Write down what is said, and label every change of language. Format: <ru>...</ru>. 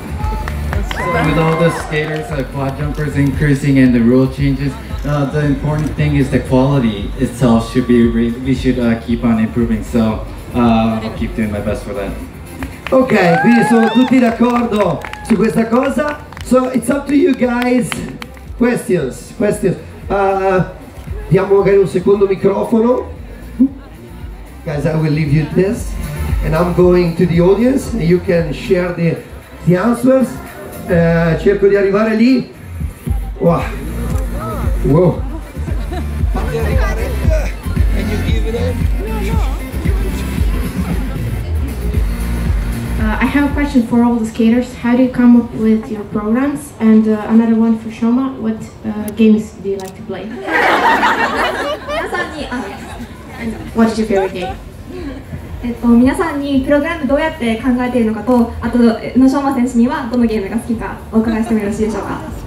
<en>With all the skaters and quad jumpers increasing and the rule changes, the important thing is the quality itself should be, we should keep on improving, so I'll keep doing my best for that.</en> <it>Ok, quindi sono tutti d'accordo su questa cosa.</it> <en>So it's up to you guys. Questions.</en> <it>Diamo magari un secondo microfono.</it> <en>Guys, I will leave you this. And I'm going to the audience. And you can share the answers.</en> <it>Cerco di arrivare lì.</it> <en>Wow. Whoa. And you give it up. I have a question for all the skaters. How do you come up with your programs? And another one for Shoma, what games do you like to play? What's your favorite game?</en> <ja>皆さんにプログラムどうやって考えているのかと、あと宇野昌磨選手にはどのゲームが好きかお伺いしてもよろしいでしょうか。</ja>